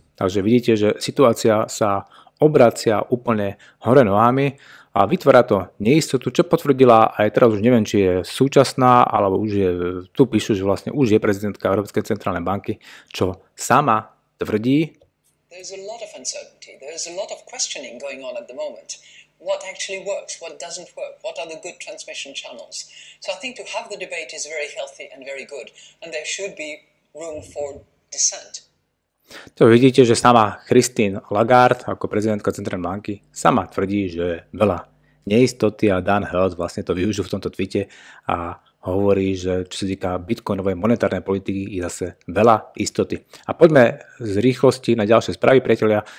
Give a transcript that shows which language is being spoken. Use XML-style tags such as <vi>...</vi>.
<sk>Takže vidíte, že situácia sa obracia úplne hore nohami a vytvára to neistotu, čo potvrdila aj teraz už neviem, či je súčasná, alebo už je, tu píšu, že vlastne už je prezidentka Európskej centrálnej banky, čo sama tvrdí.</sk> <en>There's a lot of uncertainty, there's a lot of questioning going on at the moment. What actually works, what doesn't work, what are the good transmission channels. So I think to have the debate is very healthy and very good and there should be room for dissent.</en> <sk>To vidíte, že sama Christine Lagarde ako prezidentka centrálnej banky sama tvrdí, že je veľa neistoty a Dan Held vlastne to využil v tomto tweete a hovorí, že čo sa týka bitcoinovej monetárnej politiky je zase veľa istoty. A poďme z rýchlosti na ďalšie správy, priateľia.</sk>